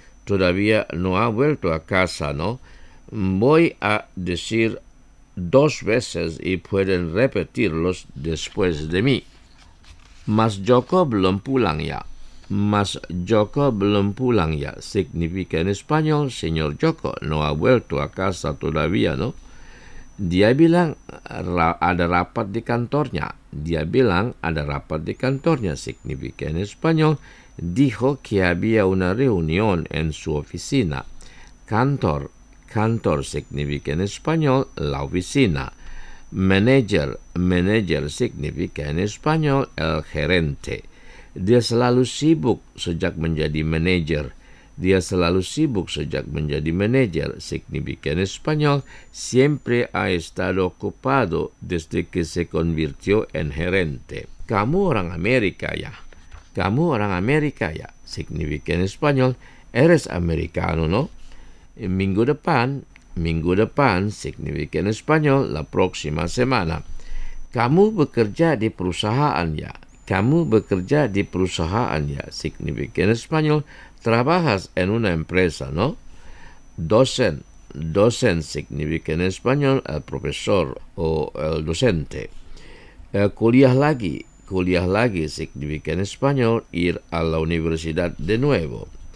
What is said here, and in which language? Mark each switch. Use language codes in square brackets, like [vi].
[es] Todavía no ha vuelto a casa, ¿no? Voy a decir dos veces y pueden repetirlos después de mí. [id] Mas Joko belum pulang ya. Mas Joko belum pulang ya. [es] Significa en español, señor Joko no ha vuelto a casa todavía, ¿no? [id] Dia bilang ada rapat di kantornya. Dia bilang ada rapat di kantornya. [es] Significa en español, dijo que había una reunión en su oficina. Kantor. Kantor significa en español la oficina. Manager. Manager significa en español el gerente. [id] Dia selalu sibuk sejak menjadi manager. Dia selalu sibuk sejak menjadi manager. [es] Significa en español siempre ha estado ocupado desde que se convirtió en gerente. [id] Kamu orang Amerika ya. Kamu orang Amerika ya. [es] Significa en español eres americano, ¿no? [id] Minggu depan [es] significa en español la próxima semana. [id] Kamu bekerja di perusahaan ya. Kamu bekerja di perusahaan ya. [es] Significa en español trabajas en una empresa, ¿no? Dosen. Dosen significa en español el profesor o el docente. [id] Kuliah lagi [es] significa en español ir a la universidad de nuevo.